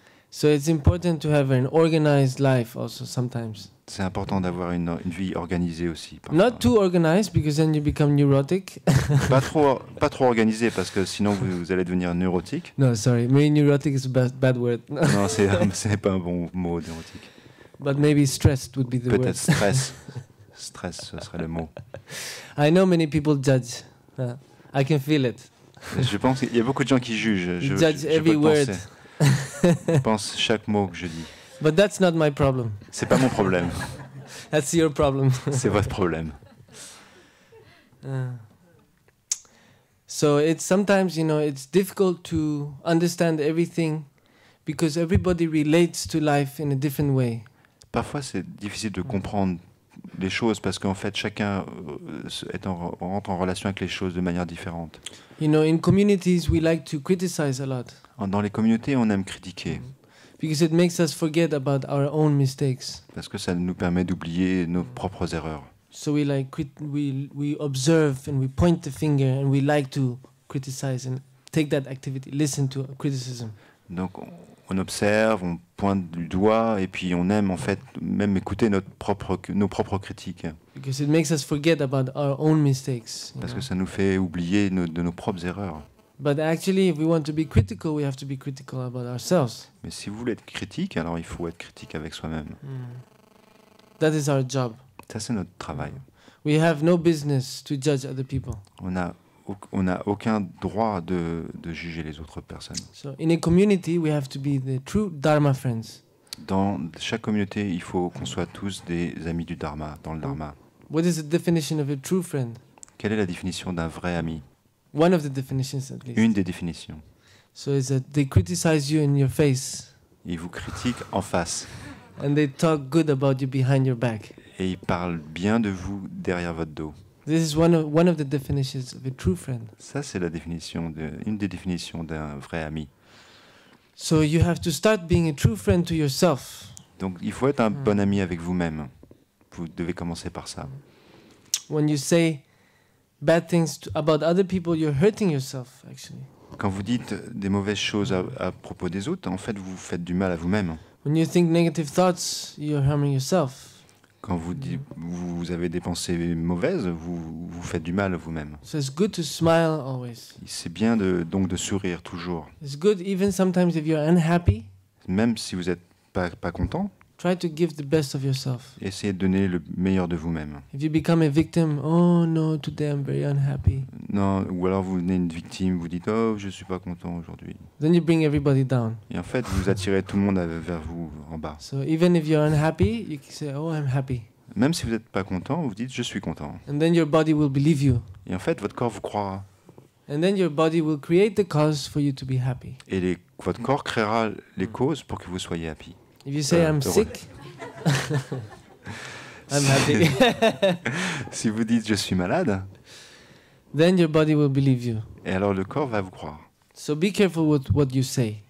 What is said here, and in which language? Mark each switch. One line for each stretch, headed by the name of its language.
English: So it's important to have an organized life also sometimes.
French: C'est important d'avoir une vie organisée aussi. Parfois.
English: Not too organized because then you become neurotic.
French: pas trop organisé parce que sinon vous allez devenir neurotique.
English: No, sorry, maybe neurotic is a bad word.
French: Non, c'est pas un bon mot, neurotique.
English: But maybe stressed would be the
French: peut-être
English: word.
French: Peut-être stress. stress, ce serait le mot.
English: I know many people judge. I can feel it.
French: Je pense qu'il y a beaucoup de gens qui jugent.
English: Judge every word.
French: Pense chaque mot que je dis.
English: But that's not my problem.
French: C'est pas mon problème.
English: That's your problem.
French: C'est votre problème.
English: So it's sometimes, you know, it's difficult to understand everything because everybody relates to life in a different way.
French: Parfois, c'est difficile de comprendre les choses parce qu'en fait, chacun rentre en relation avec les choses de manière différente.
English: You know, in communities, we like to criticize a lot.
French: Dans les communautés, on aime critiquer.
English: Because it makes us forget about our own mistakes.
French: Parce que ça nous permet d'oublier nos propres erreurs.
English: So we like we observe and we point the finger and we like to criticize and take that activity, listen to criticism.
French: Donc on observe, on pointe du doigt et puis on aime en fait même écouter nos propres critiques.
English: Because it makes us forget about our own mistakes.
French: Parce que ça nous fait oublier de nos propres erreurs.
English: But actually, if we want to be critical, we have to be critical about ourselves.
French: Mais si vous voulez être critique, alors il faut être critique avec soi-même.
English: That is our job.
French: Ça, c'est notre travail.
English: We have no business to judge other people.
French: On a aucun droit de juger les autres personnes.
English: So in a community, we have to be the true Dharma friends.
French: Dans chaque communauté, il faut qu'on soit tous des amis du Dharma, dans le Dharma.
English: What is the definition of a true friend?
French: Quelle est la définition d'un vrai ami?
English: One of the definitions, at least.
French: Une des définitions.
English: So is that they criticize you in your face.
French: Ils vous critiquent en face.
English: And they talk good about you behind your back.
French: Et ils parlent bien de vous derrière votre dos.
English: This is one of the definitions of a true friend.
French: Ça c'est la définition une des définitions d'un vrai ami.
English: So you have to start being a true friend to yourself.
French: Donc il faut être un bon ami avec vous-même. Vous devez commencer par ça.
English: When you say bad things about other people, you're hurting yourself, actually.
French: Quand vous dites des mauvaises choses à propos des autres, en fait, vous faites du mal à vous-même.
English: When you think negative thoughts, you're harming yourself.
French: Quand vous avez des pensées mauvaises, vous faites du mal à vous-même.
English: So it's good to smile always.
French: C'est bien de sourire toujours.
English: It's good even sometimes if you're unhappy.
French: Même si vous êtes pas content.
English: Try to give the best of yourself.
French: Essayez de donner le meilleur de vous-même.
English: If you become a victim, oh no, today I'm very unhappy.
French: Non, ou alors vous devenez une victime, vous dites oh je suis pas content aujourd'hui.
English: Then you bring everybody down.
French: Et en fait, vous attirez tout le monde vers vous en bas.
English: So even if you're unhappy, you can say oh I'm happy.
French: Même si vous êtes pas content, vous dites je suis content.
English: And then your body will believe you.
French: Et en fait, votre corps vous croira.
English: And then your body will create the cause for you to be happy.
French: Et votre corps créera les causes pour que vous soyez happy.
English: If you say I'm sick, I'm happy.
French: Si vous dites je suis malade,
English: then your body will believe you.
French: Et alors le corps va vous croire.
English: So be careful with what you say.